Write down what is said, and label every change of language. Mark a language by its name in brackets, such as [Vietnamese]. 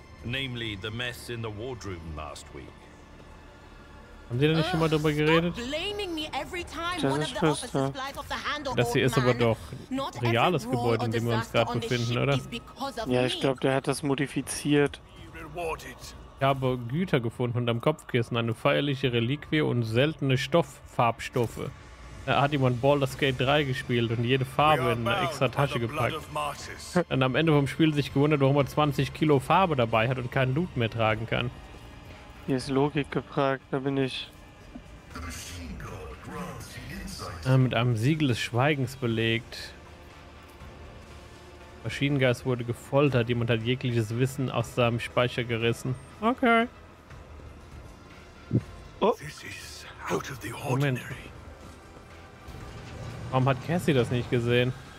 [English] Namely the mess in the wardroom last week. [German] Haben die da nicht schon mal drüber geredet? Das ist Schwester. Das hier ist aber doch ein reales Gebäude, in dem wir uns gerade befinden, oder? Ja, ich glaube, der hat das modifiziert. Ich habe Güter gefunden unterm Kopfkissen, eine feierliche Reliquie und seltene Farbstoffe. Da hat jemand Baldur's Gate 3 gespielt und jede Farbe in eine extra Tasche gepackt. Dann am Ende vom Spiel sich gewundert, warum er 20 Kilo Farbe dabei hat und keinen Loot mehr tragen kann. Hier ist Logik gefragt, da bin ich. Mit einem Siegel des Schweigens belegt. Machine Geist wurde gefoltert, jemand hat jegliches Wissen aus seinem Speicher gerissen. Okay. Oh. [English] This is out of the ordinary. [German] Warum hat Cassie das nicht gesehen?